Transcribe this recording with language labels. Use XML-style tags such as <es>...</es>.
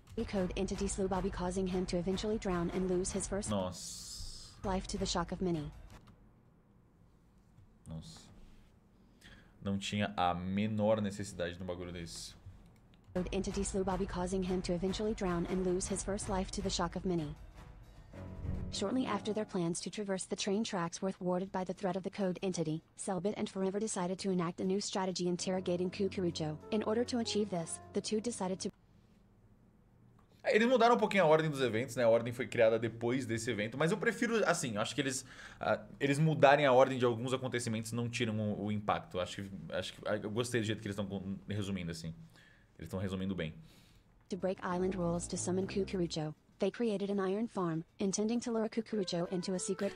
<en>Echoed entity slew Bobby, causing him to eventually drown and lose his first life to the shock of many.</en> <pt>Nossa. Não tinha a menor necessidade de um bagulho desse.</pt> <en>Echoed entity slew Bobby, causing him to eventually drown and lose his first life to the shock of many. Shortly after their plans to traverse the train tracks were thwarted by the threat of the code entity, Cellbit and Forever decided to enact a new strategy interrogating Kukurucho. In order to achieve this, the two decided to...</en> <pt>Eles mudaram um pouquinho a ordem dos eventos, né? A ordem foi criada depois desse evento, mas eu prefiro, assim, acho que eles mudarem a ordem de alguns acontecimentos não tiram o impacto. Acho que eu gostei do jeito que eles estão resumindo, assim. Eles estão resumindo bem.</pt> <en>To break island rules to summon Kukurucho. They created an iron farm, intending to lure Kukurucho into a secret...</en>